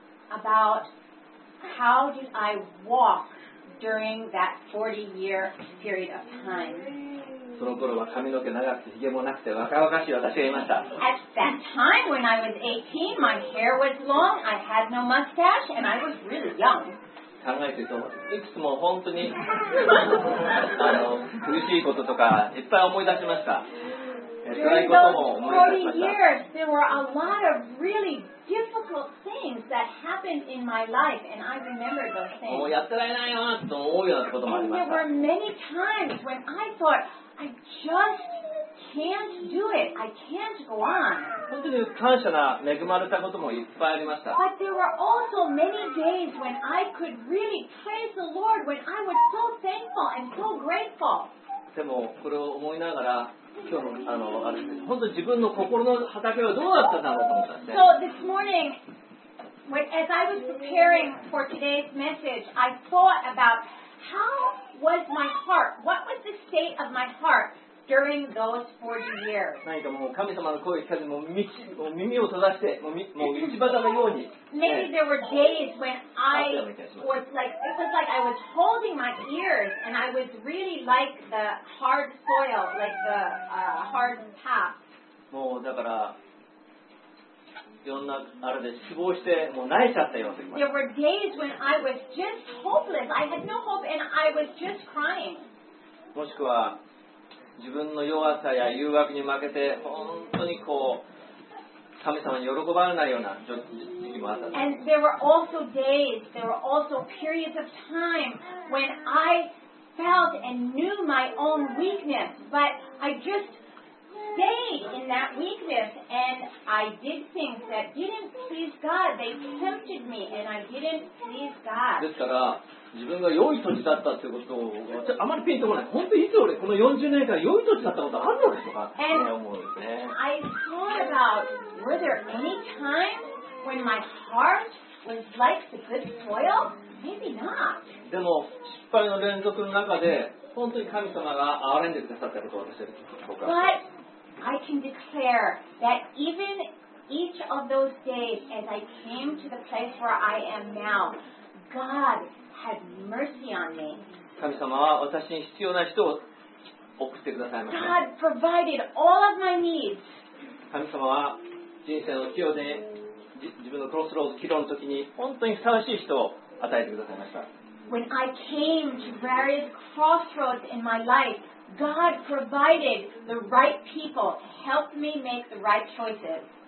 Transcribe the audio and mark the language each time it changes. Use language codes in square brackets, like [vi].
[en] About how did I walk during that 40-year period of time? [ja] その頃は髪の毛長くてひげもなくて若々しい私がいました。 [en] At that time when I was 18, my hair was long, I had no mustache, and I was really young. [ja] 考えてると、いくつも本当に苦しいこととかいっぱい思い出しました。 [en] During those 40 years, there were a lot of really difficult things that happened in my life, and I remember those things. And there were many times when I thought, I just can't do it. I can't go on. [ja] 本当に感謝な恵まれたこともいっぱいありました。 [en] But there were also many days when I could really praise the Lord, when I was so thankful and so grateful. [ja] でもこれを思いながら今日のあれです。本当自分の心の畑はどうだったんだろうと思ったんですね。 [en] So this morning, as I was preparing for today's message, I thought about how was my heart, what was the state of my heart during those 40 years. [ja] 何かもう神様の声を聞かずに耳を閉ざして、もう道端のように。 [en] Maybe there were days when I was like, it was like I was holding my ears and I was really like the hard soil, like the hardened path. [ja] もうだから、いろんなあれで失望して、もう泣いちゃったような時もある。 [en] There were days when I was just hopeless. I had no hope and I was just crying. [ja] もしくは、自分の弱さや誘惑に負けて、本当にこう、神様に喜ばれないような時期もあった。 [en] And there were also days, there were also periods of time when I felt and knew my own weakness, but I just stayed in that weakness and I did things that didn't please God. They tempted me and I didn't please God. [ja] ですから、自分が良い年だったということをあまりピンとこない。本当にいつ俺この40年間良い年だったことあるのかとか思うんですね。 [en] I thought about were there any times when my heart was like the good soil? Maybe not. [ja] でも失敗の連続の中で本当に神様が憐れんでくださったことを私は [en] But I can declare that even each of those days as I came to the place where I am now, God had mercy on me. [ja] 神様は私に必要な人を送ってくださいました。 [en] God provided all of my needs. [ja] 神様は人生の岐路で自分のクロスロード岐路の時に本当にふさわしい人を与えてくださいました。 [en] When I came to various crossroads in my life, God provided the right people to help me make the right choices.